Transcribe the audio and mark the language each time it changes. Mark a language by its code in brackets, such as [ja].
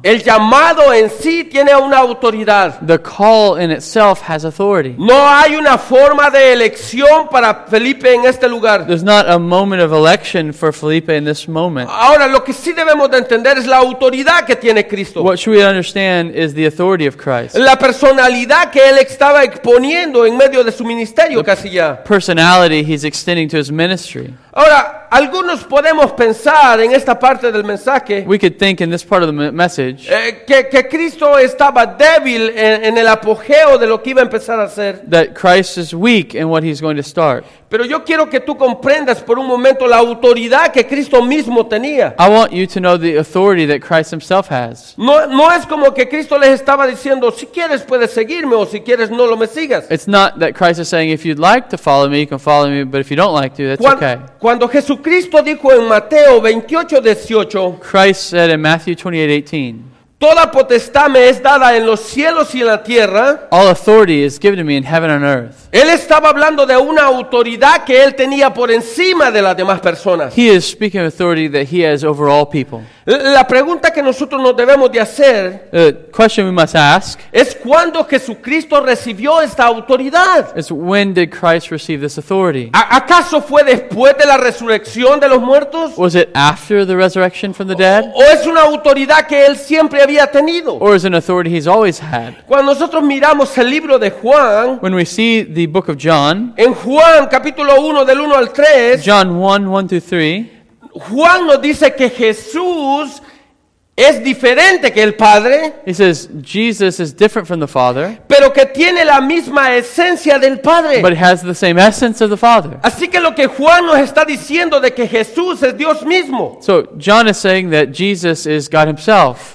[es] El llamado en sí tiene una autoridad. [en] The call in itself has authority. authority. [es] No hay una forma de elección para Felipe en este lugar. [en] There's not a moment of election for Felipe in this moment. [es] Ahora, lo que sí debemos de entender es la autoridad que tiene Cristo. [en] What should we understand is the authority of Christ. [es] La personalidad que él estaba exponiendo en medio de su ministerio, [en] the [es] casi ya. [en] Personality he's extending to his ministry. [es] Ahora, algunos podemos pensar en esta parte del mensaje. [en] We could think in this part of the message. [es] Que Cristo estaba débil en el apogeo de lo que iba a empezar a hacer. [en] That Christ is weak in what he's going to start. [es] Pero yo quiero que tú comprendas por un momento la autoridad que Cristo mismo tenía. [en] I want you to know the authority that Christ himself has. [es] No es como que Cristo les estaba diciendo, si quieres puedes seguirme o si quieres no lo me sigas. [en] It's not that Christ is saying, if you'd like to follow me, you can follow me, but if you don't like to, that's okay. [es] Cuando Jesucristo dijo en Mateo 28, 18, [en] Christ said in Matthew 28, 18, [es] toda potestad me es dada en los cielos y en la tierra. [en] All authority is given to me in heaven and earth. [es] Él estaba hablando de una autoridad que él tenía por encima de las demás personas. [en] He is speaking of authority that he has over all people. [es] La pregunta que nosotros nos debemos de hacer, [en] the question we must ask, [es] es cuándo Jesucristo recibió esta autoridad. [en] Is when did Christ receive this authority? [es] ¿Acaso fue después de la resurrección de los muertos? [en] Was it after the resurrection from the dead? [es] ¿O es una autoridad que él siempre había tenido? [en] Or is it an authority he's always had? [es] Cuando nosotros miramos el libro de Juan, [en] when we see the book of John, [es] en Juan capítulo 1 del 1 al 3, [en] John 1, 1 through 3, [es] Juan nos dice que Jesús es diferente que el Padre. [en] He says Jesus is different from the Father. [es] Pero que tiene la misma esencia del Padre. [en] But has the same essence of the Father. [es] Así que lo que Juan nos está diciendo de que Jesús es Dios mismo. [en] So John is saying that Jesus is God himself.